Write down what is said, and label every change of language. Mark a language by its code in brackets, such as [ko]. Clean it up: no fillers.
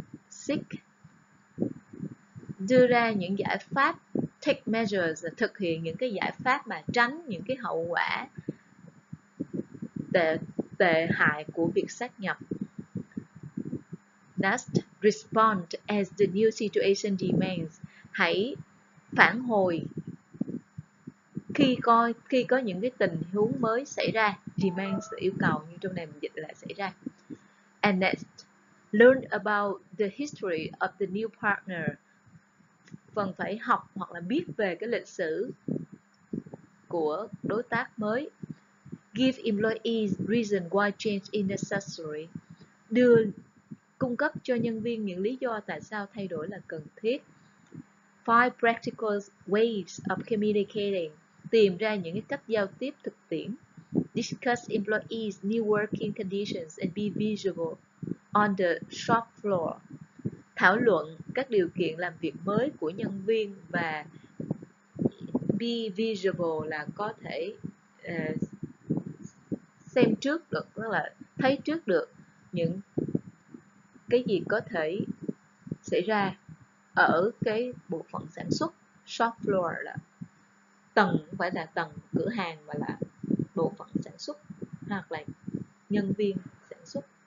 [vi] 6, đưa ra những giải pháp, take measures, thực hiện những cái giải pháp mà tránh những cái hậu quả tệ hại của việc sáp nhập. [en] Next, respond as the new situation demands. [vi] Hãy phản hồi khi có những cái tình huống mới xảy ra. Demands là yêu cầu, như trong này mình dịch là xảy ra. [en] And next, learn about the history of the new partner. [vi] Phần phải học hoặc là biết về cái lịch sử của đối tác mới. [en] Give employees reason why change is necessary. [vi] Cung cấp cho nhân viên những lý do tại sao thay đổi là cần thiết. [en] 5 practical ways of communicating. [vi] Tìm ra những cách giao tiếp thực tiễn. [en] Discuss employees' new working conditions and be visible on the shop floor. [vi] Thảo luận các điều kiện làm việc mới của nhân viên và be visible là có thể xem trước được, tức là thấy trước được những cái gì có thể xảy ra ở cái bộ phận sản xuất, shop floor là tầng, không phải là tầng cửa hàng mà là bộ phận sản xuất hoặc là nhân viên sản xuất.